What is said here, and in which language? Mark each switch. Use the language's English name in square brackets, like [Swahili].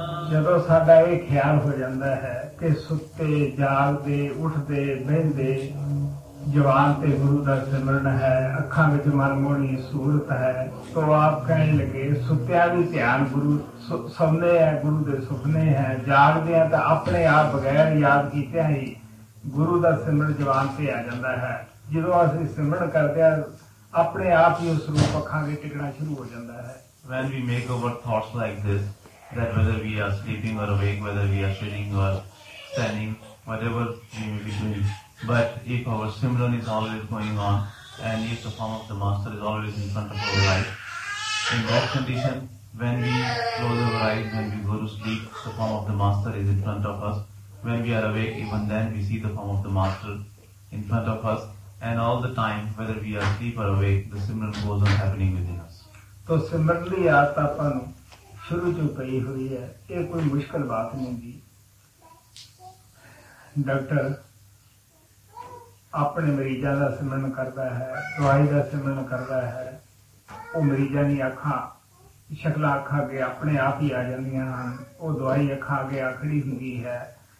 [Punjabi] ਜਦੋਂ ਸਾਡਾ ਇਹ ਖਿਆਲ ਹੋ ਜਾਂਦਾ ਹੈ ਕਿ ਸੁੱਤੇ ਜਾਗਦੇ ਉੱਠਦੇ ਬਹਿੰਦੇ ਜਵਾਨ ਤੇ ਗੁਰੂ ਦਾ ਸਿਮਰਨ ਹੈ, ਅੱਖਾਂ ਵਿੱਚ ਮਨਮੋਹਣੀ ਸੂਰਤ ਹੈ, ਤੋ ਆਪ ਕਹਿਣ ਲੱਗੇ ਸੁੱਤਿਆਂ ਵੀ ਧਿਆਨ ਗੁਰੂ ਸੁਣਦੇ ਹੈ, ਗੁਰੂ ਦੇ ਸੁਪਨੇ ਹੈ, ਜਾਗਦਿਆਂ ਤਾਂ ਆਪਣੇ ਆਪ ਬਗੈਰ ਯਾਦ ਕੀਤਿਆਂ ਹੀ ਗੁਰੂ ਦਾ ਸਿਮਰਨ ਜਵਾਨ ਤੇ ਆ ਜਾਂਦਾ ਹੈ। ਜਦੋਂ ਅਸੀਂ ਸਿਮਰਨ ਕਰਦੇ ਹਾਂ ਆਪਣੇ ਆਪ ਹੀ ਉਸ ਰੂਪ ਅੱਖਾਂ ਅੱਗੇ ਟਿਕਣਾ ਸ਼ੁਰੂ ਹੋ ਜਾਂਦਾ ਹੈ। [English] That whether we are sleeping or awake, whether we are sitting or standing, whatever we may be doing, but if our simran is always going on and if the form of the Master is always in front of our eyes, in that condition, when we close our eyes, when we go to sleep, the form of the Master is in front of us. When we are awake, even then we see the form of the Master in front of us, and all the time, whether we are asleep or awake, the simran goes on happening within us. So similarly, [Punjabi] Atapan ਸ਼ੁਰੂ ਚੋਂ ਪਈ ਹੋਈ ਹੈ, ਇਹ ਕੋਈ ਮੁਸ਼ਕਲ ਬਾਤ ਨਹੀਂ ਜੀ। ਡਾਕਟਰ ਆਪਣੇ ਮਰੀਜ਼ਾਂ ਦਾ ਸਿਮਰਨ ਕਰਦਾ ਹੈ, ਦਵਾਈ ਦਾ ਸਿਮਰਨ ਕਰਦਾ ਹੈ, ਉਹ ਮਰੀਜ਼ਾਂ ਦੀ ਅੱਖਾਂ ਸ਼ਕਲਾਂ ਅੱਖਾਂ ਅੱਗੇ ਆਪਣੇ ਆਪ ਹੀ ਆ ਜਾਂਦੀਆਂ ਹਨ, ਉਹ ਦਵਾਈ ਅੱਖਾਂ ਅੱਗੇ ਆਖੜੀ ਹੁੰਦੀ ਹੈ।